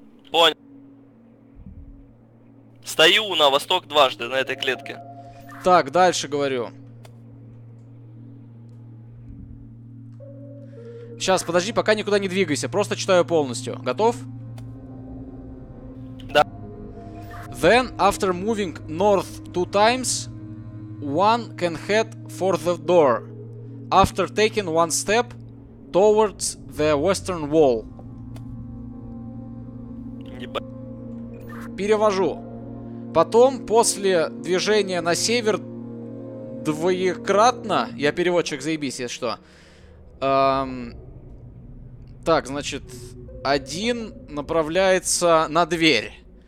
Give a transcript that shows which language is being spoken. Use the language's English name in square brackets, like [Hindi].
[Russian] Понял. Стою на восток дважды на этой клетке. Так, дальше говорю. Сейчас, подожди, пока никуда не двигайся. Просто читаю полностью. Готов? Да. [English] Then, after moving north two times, one can head for the door. After taking one step towards the western wall. [Russian] Перевожу. Потом, после движения на север двоекратно, я переводчик, заебись, если что. Так, значит, один направляется на дверь.